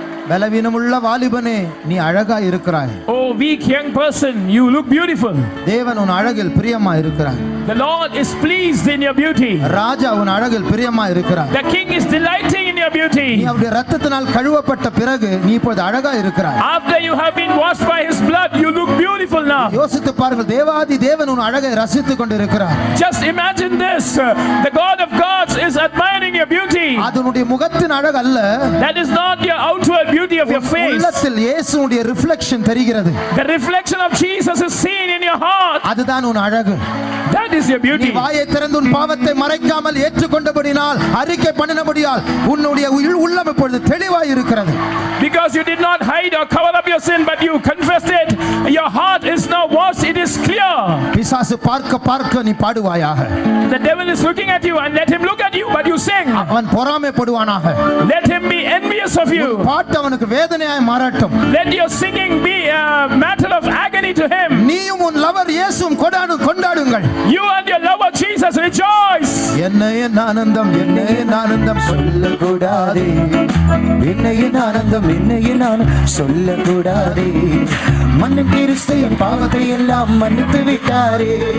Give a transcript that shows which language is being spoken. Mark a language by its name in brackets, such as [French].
[Tamil] பலவீனமுள்ள வாலிபனே, நீ அழகா இருக்கிறாய். [English] Oh weak young person, you look beautiful. [Tamil] தேவன் உன் அழகில் பிரியமா இருக்கிறார். [English] The Lord is pleased in your beauty. [Tamil] ராஜா உன் அழகில் பிரியமா இருக்கிறார். [English] The king is delighting in your beauty. [Tamil] நீ அவருடைய இரத்தத்தினால் கழுவப்பட்ட பிறகு நீ இப்பொழுது அழகா இருக்கிறாய். [English] After you have been washed by his blood, you look beautiful now. [Tamil] யோசித்து பாருங்கள், தேவாதி தேவன் உன் அழகை ரசித்துக் கொண்டிருக்கிறார். [English] Just imagine this. The God of gods is admiring your beauty. [Tamil] அதுனுடைய முகத்தின் அழகு அல்ல. [English] That is not your outward beauty of your face. [Tamil] உள்ளத்தில் இயேசுவின் ரிஃப்ளெக்ஷன் தெரிகிறது. [English] The reflection of Jesus is seen in your heart. [Tamil] அதுதான் உன் அழகு. [English] That is your beauty. [Tamil] நீ வாயை திறந்து உன் பாவத்தை மறைக்காமல் ஏற்றுக்கொண்டபடியால் அறிக்கை பண்ணினபடியால் உன்னுடைய உள்ளம் இப்பொழுது தெளிவாய் இருக்கிறது. [English] Because you did not hide or cover up your sin, but you confessed it. Your heart is now washed. It is clear. [Tamil] பிசாசு பார்க்க பார்க்க நீ பாடுவாயாக. [English] The devil is looking at you, and let him look at you, but you sing. [Tamil] அவன் பொறாமைப்படுவானாக. [English] Let him be envious of you. [Tamil] பாட்டு அவனுக்கு வேதனையாய் மாறட்டும். [English] Let your singing be a matter of agony to him. [Tamil] நீயும் உன் lower இயேசுவும் கொண்டாடுங்கள். [English] You and your lover Jesus rejoice. [Tamil] என்னையின் ஆனந்தம் சொல்லக்கூடாது. என்னையின் ஆனந்தம் சொல்லக்கூடாது. மன்னன் கிறிஸ்து என் பாவத்தை எல்லாம் மன்னித்து விட்டாரே.